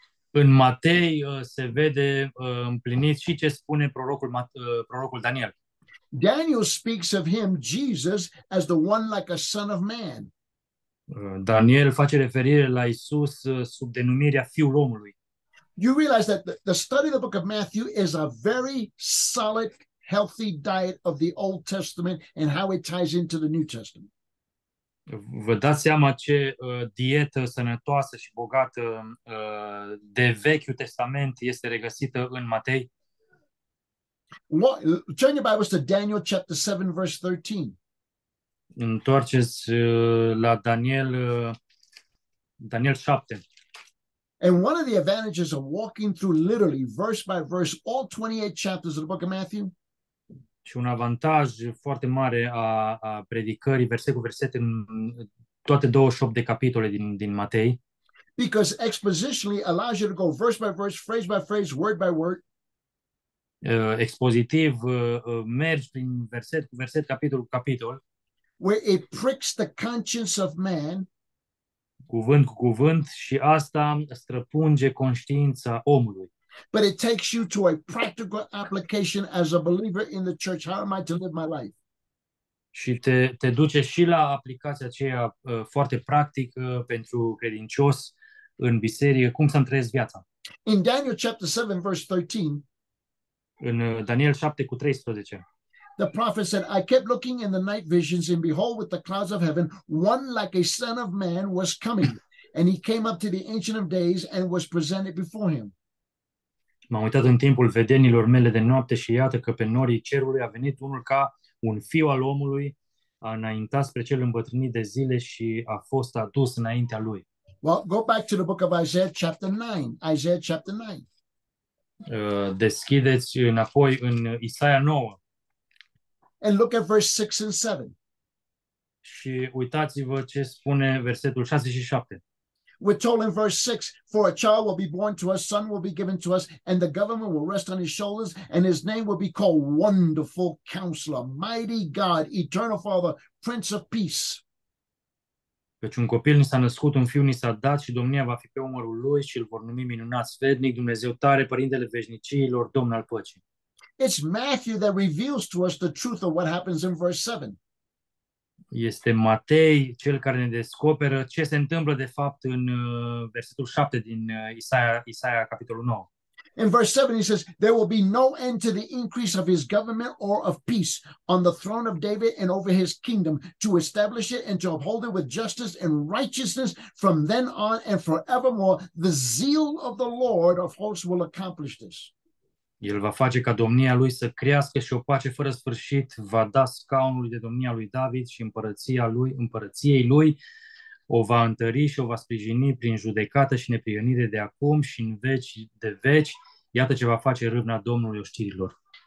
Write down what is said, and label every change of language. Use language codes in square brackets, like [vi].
[ro] În Matei se vede împlinit și ce spune prorocul, prorocul Daniel. [en] Daniel speaks of him, Jesus, as the one like a son of man. [ro] Daniel face referire la Isus sub denumirea Fiul Omului. [en] You realize that the study of the book of Matthew is a very solid, healthy diet of the Old Testament and how it ties into the New Testament. [ro] Vă dați seama ce dietă sănătoasă și bogată de Vechiul Testament este regăsită în Matei? [en] Turn your Bibles to Daniel chapter 7, verse 13. [ro] Întoarceți la Daniel, Daniel 7. [en] And one of the advantages of walking through literally, verse by verse, all 28 chapters of the book of Matthew. [ro] Și un avantaj foarte mare a predicării verset cu verset în toate 28 de capitole din Matei. [en] Because expositionally allows you to go verse by verse, phrase by phrase, word by word. [ro] Expozitiv mergi prin verset cu verset, capitol cu capitol. [en] Where it pricks the conscience of man. [ro] Cuvânt cu cuvânt și asta străpunge conștiința omului. [en] But it takes you to a practical application as a believer in the church. How am I to live my life? [ro] Și te duce și la aplicația aceea foarte practică pentru credincios în biserică. Cum să-mi trăiesc viața? [en] In Daniel chapter 7, verse 13. [ro] În Daniel 7, cu 13. [en] The prophet said, I kept looking in the night visions, and behold, with the clouds of heaven, one like a son of man was coming. And he came up to the Ancient of Days and was presented before him. [ro] M-am uitat în timpul vedenilor mele de noapte și iată că pe norii cerului a venit unul ca un fiu al omului, a înaintat spre cel îmbătrânit de zile și a fost adus înaintea lui. [en] Well, go back to the book of Isaiah chapter 9. Isaiah chapter 9. [ro] Deschideți înapoi în Isaia 9. [en] And look at verse 6 and 7. [ro] Și uitați-vă ce spune versetul 6 și 7. [en] We're told in verse 6, for a child will be born to us, son will be given to us, and the government will rest on his shoulders, and his name will be called Wonderful Counselor, Mighty God, Eternal Father, Prince of Peace. [ro] Căci un copil ni s-a născut, un fiu ni s-a dat, și domnia va fi pe umărul lui, și îl vor numi Minunat, Sfetnic, Dumnezeu Tare, Părintele Veșniciilor, Domn al Păcii. [en] It's Matthew that reveals to us the truth of what happens in verse 7. [ro] Este Matei cel care ne descoperă ce se întâmplă de fapt în versetul 7 din Isaia capitolul 9. [en] In verse 7 he says there will be no end to the increase of his government or of peace on the throne of David and over his kingdom to establish it and to uphold it with justice and righteousness from then on and forevermore. The zeal of the Lord of hosts will accomplish this. [ro] El va face ca domnia lui să crească și o pace fără sfârșit, va da scaunului de domnia lui David și împărăția lui, împărăției lui, o va întări și o va sprijini prin judecată și neprionire de acum și în veci de veci. Iată ce va face râvna Domnului oștirilor.